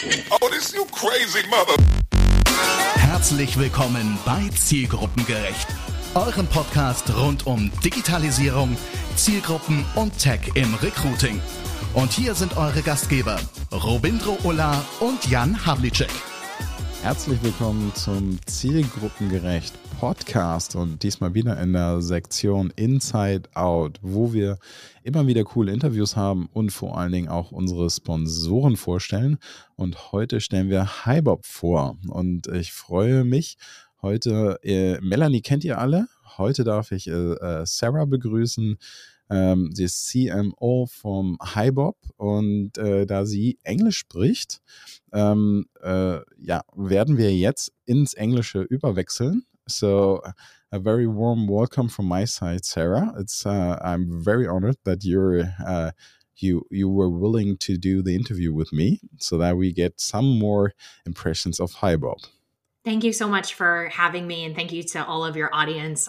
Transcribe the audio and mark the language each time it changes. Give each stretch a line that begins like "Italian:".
English: Oh, this you crazy mother...
German: Herzlich willkommen bei Zielgruppengerecht. Euren Podcast rund um Digitalisierung, Zielgruppen und Tech im Recruiting. Und hier sind eure Gastgeber, Robindro Ulla und Jan Havlicek. Herzlich willkommen zum Zielgruppengerecht Podcast und diesmal wieder in der Sektion Inside Out, wo wir immer wieder coole Interviews haben und vor allen Dingen auch unsere Sponsoren vorstellen. Und heute stellen wir HiBob vor und ich freue mich, heute, Melanie kennt ihr alle, heute darf ich Sarah begrüßen, sie ist CMO vom HiBob und da sie Englisch spricht, werden wir jetzt ins Englische überwechseln.
English: So, a very warm welcome from my side, Sarah. I'm very honored that you were willing to do the interview with me so that we get some more impressions of HiBob. Thank you so much for having me and thank you to all of your audience.